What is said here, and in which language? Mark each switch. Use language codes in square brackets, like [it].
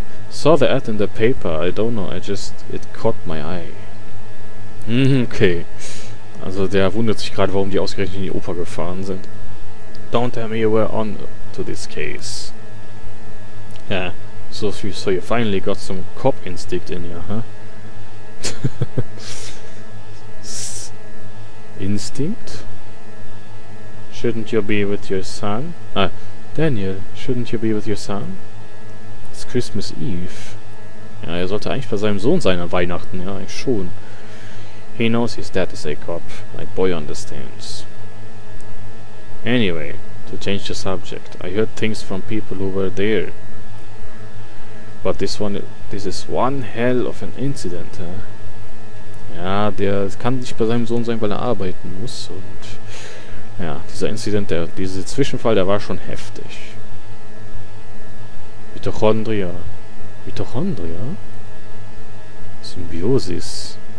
[en] Saw the ad in the paper, I don't know, it caught my eye. Okay. [de] Also der wundert sich gerade, warum die ausgerechnet in die Oper gefahren sind. [en] Don't tell me you were on to this case. Yeah, so you finally got some cop instinct in you, huh? Instinct? Shouldn't you be with your son? Daniel, shouldn't you be with your son? It's Christmas Eve. [de] Ja, er sollte eigentlich bei seinem Sohn sein an Weihnachten, ja, eigentlich schon. [en] He knows his dad is a cop. My boy understands. Anyway, to change the subject, I heard things from people who were there. But this is one hell of an incident, huh? [de] Ja, der kann nicht bei seinem Sohn sein, weil er arbeiten muss. Und ja, dieser Incident, dieser Zwischenfall, der war schon heftig. [en] Mitochondria. Mitochondria? Symbiosis.